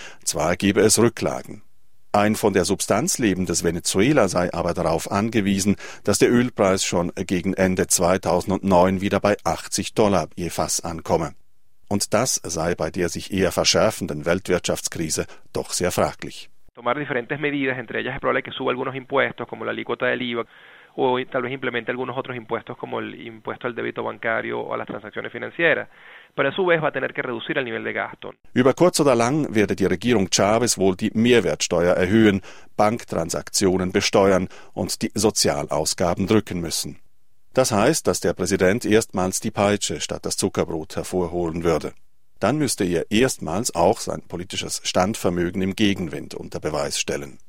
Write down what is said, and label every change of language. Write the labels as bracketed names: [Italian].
[German] Zwar gebe es Rücklagen. Ein von der Substanz lebendes Venezuela sei aber darauf angewiesen, dass der Ölpreis schon gegen Ende 2009 wieder bei 80 Dollar je Fass ankomme. Und das sei bei der sich eher verschärfenden Weltwirtschaftskrise doch sehr fraglich. [Spanish] Tomar diferentes medidas, entre ellas es probable que suba algunos impuestos como la alícuota del IVA o tal vez implemente algunos otros impuestos como el impuesto al débito bancario o a las transacciones financieras. [German] Über kurz oder lang werde die Regierung Chavez wohl die Mehrwertsteuer erhöhen, Banktransaktionen besteuern und die Sozialausgaben drücken müssen. Das heißt, dass der Präsident erstmals die Peitsche statt das Zuckerbrot hervorholen würde. Dann müsste er erstmals auch sein politisches Standvermögen im Gegenwind unter Beweis stellen.